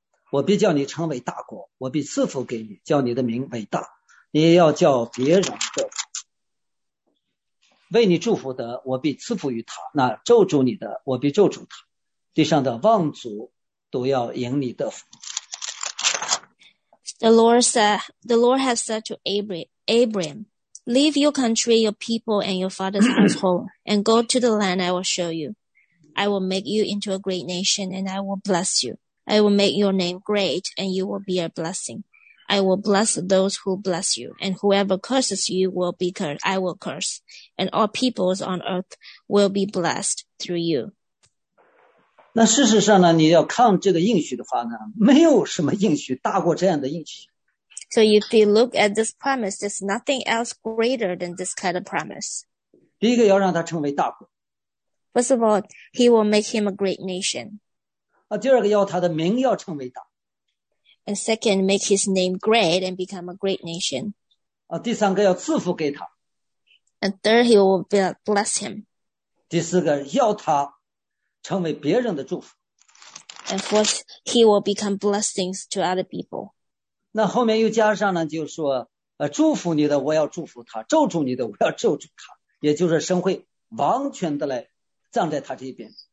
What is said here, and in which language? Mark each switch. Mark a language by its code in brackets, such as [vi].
[zh] 我必叫你成为大国，我必赐福给你，叫你的名伟大，你也要叫别人的为你祝福的，我必赐福于他，那咒诅你的，我必咒诅他，地上的望族都要迎你的福。 [en] The Lord said, the Lord has said to Abram, leave your country, your people, and your father's household, and go to the land I will show you. I will make you into a great nation, and I will bless you. I will make your name great, and you will be a blessing. I will bless those who bless you, and whoever curses you will be cursed. I will curse, and all peoples on earth will be blessed through you. [zh] 那事实上呢，你要看这个应许的话呢，没有什么应许大过这样的应许。 [en] So if you look at this promise, there's nothing else greater than this kind of promise. [zh] 第一个要让他成为大国。 [en] First of all, he will make him a great nation. [zh] 啊，第二个要他的名要成为大。 [en] And second, make his name great and become a great nation. [zh] 啊，第三个要赐福给他。 [en] And third, he will bless him. [zh] 第四个要他成为别人的祝福。 [en] And fourth, he will become blessings to other people. [zh] 那后面又加上呢，就是说，祝福你的我要祝福他，咒诅你的我要咒诅他，也就是神会完全的来站在他这边。